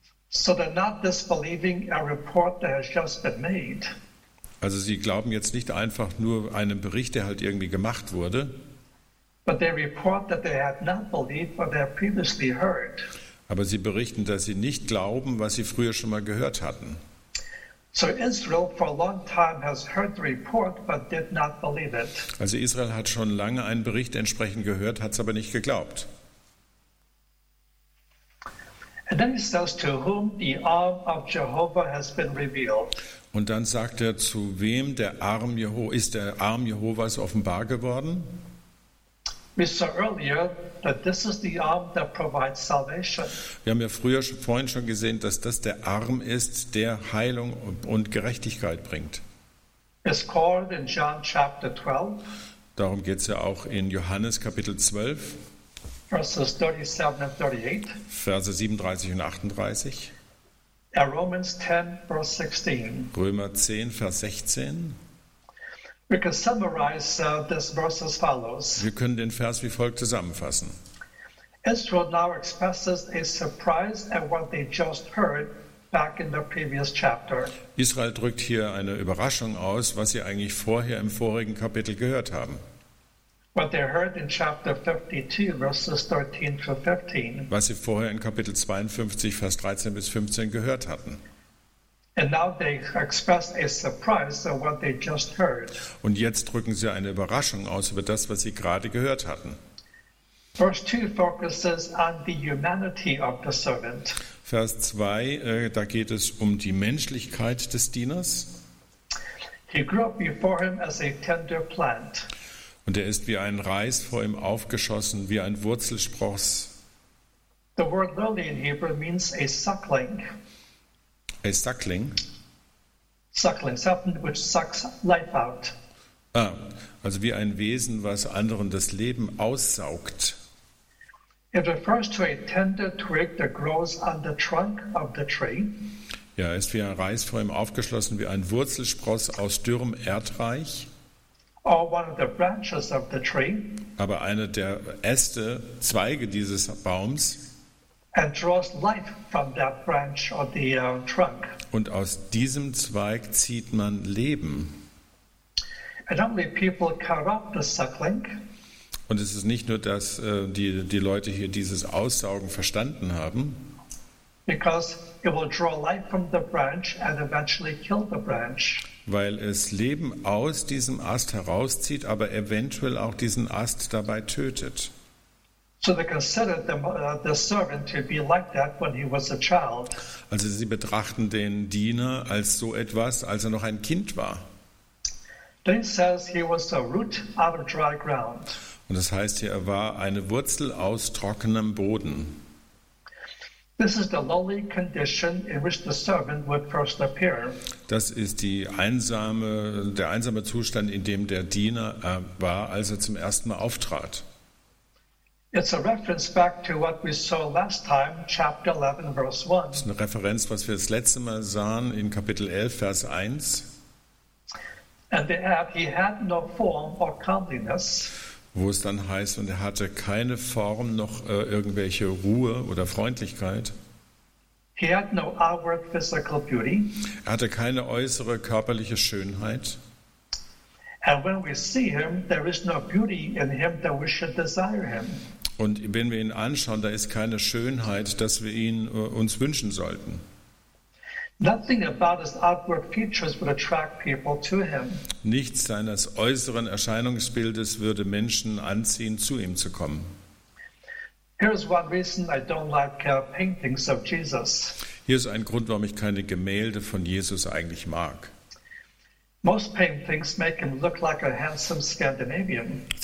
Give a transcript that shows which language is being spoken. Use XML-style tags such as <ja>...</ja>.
<en>So they're not disbelieving a report that has just been made.</en> <de>Also sie glauben jetzt nicht einfach nur einem Bericht, der halt irgendwie gemacht wurde.</de> <en>But they report that they have not believed what they have previously heard.</en> <de>Aber sie berichten, dass sie nicht glauben, was sie früher schon mal gehört hatten.</de> <en>So Israel for a long time has heard the report but did not believe it.</en> <de>Also Israel hat schon lange einen Bericht entsprechend gehört, hat es aber nicht geglaubt.</de> <en>And then he says to whom the arm of Jehovah has been revealed.</en> <de>Und dann sagt er, zu wem der Arm ist der Arm Jehovas offenbar geworden?</de> <en>We saw earlier that this is the arm that provides salvation.</en> <de>Wir haben ja früher vorhin schon gesehen, dass das der Arm ist, der Heilung und Gerechtigkeit bringt.</de> <en>It's called in John chapter 12.</en> <de>Darum geht es ja auch in Johannes Kapitel 12.</de> <en>Verses 37 and 38.</en> <de>Verse 37 und 38.</de> <en>In Romans 10, verse 16.</en> <de>Römer 10, Vers 16.</de> <en>We can summarize this verse as follows.</en> <de>Wir können den Vers wie folgt zusammenfassen.</de> <en>Israel now expresses a surprise at what they just heard back in the previous chapter.</en> <de>Israel drückt hier eine Überraschung aus, was sie eigentlich vorher im vorigen Kapitel gehört haben.</de> <en>What they heard in chapter 52, verses 13 to 15.</en> <de>Was sie vorher in Kapitel 52, Vers 13 bis 15 gehört hatten.</de> <en>And now they express a surprise of what they just heard.</en> <de>Und jetzt drücken sie eine Überraschung aus über das, was sie gerade gehört hatten.</de> <en>Verse 2 focuses on the humanity of the servant.</en> <de>Vers 2, da geht es um die Menschlichkeit des Dieners.</de> <en>He grew up before him as a tender plant.</en> <de>Und er ist wie ein Reis vor ihm aufgeschossen, wie ein Wurzelspross.</de> <en>The word lily in Hebrew means a suckling. A suckling. Suckling, something which sucks life out.</en> <de>Ah, also wie ein Wesen, was anderen das Leben aussaugt.</de> <en>It refers to a tender twig that grows on the trunk of the tree.</en> <de>Ja, ist wie ein Reis vor ihm aufgeschlossen, wie ein Wurzelspross aus dürrem Erdreich.</de> <en>Or one of the branches of the tree.</en> <de>Aber eine der Äste, Zweige dieses Baums.</de> <en>And draws life from that branch or the trunk.</en> <de>Und aus diesem Zweig zieht man Leben.</de> <en>And only people cut off the suckling.</en> <de>Und es ist nicht nur, dass die Leute hier dieses Aussaugen verstanden haben.</de> <en>Because it will draw life from the branch and eventually kill the branch.</en> <de>Weil es Leben aus diesem Ast herauszieht, aber eventuell auch diesen Ast dabei tötet.</de> <en>So they considered the servant to be like that when he was a child.</en> <de>Also sie betrachten den Diener als so etwas, als er noch ein Kind war.</de> <en>Then says he was a root out of dry ground.</en> <de>Und das heißt hier, er war eine Wurzel aus trockenem Boden.</de> <en>This is the lowly condition in which the servant would first appear.</en> <de>Das ist der einsame Zustand, in dem der Diener war, als er zum ersten Mal auftrat.</de> <en>It's a reference back to what we saw last time, chapter 11, verse 1.</en> <de>Ist eine Referenz, was wir das letzte Mal sahen in Kapitel 11, Vers 1.</de> <en>And they add, he had no form or comeliness.</en> <de>Wo es dann heißt, und er hatte keine Form noch irgendwelche Ruhe oder Freundlichkeit.</de> <en>He had no outward physical beauty.</en> <de>Er hatte keine äußere körperliche Schönheit.</de> <en>And when we see him, there is no beauty in him that we should desire him.</en> <de>Und wenn wir ihn anschauen, da ist keine Schönheit, dass wir ihn uns wünschen sollten.</de> <en>Nothing about his outward features would attract people to him.</en> <de>Nichts seines äußeren Erscheinungsbildes würde Menschen anziehen, zu ihm zu kommen.</de> <en>Here's one reason I don't like paintings of Jesus.</en> <de>Hier ist ein Grund, warum ich keine Gemälde von Jesus eigentlich mag.</de> <en>Most paintings make him look like a handsome Scandinavian.</en>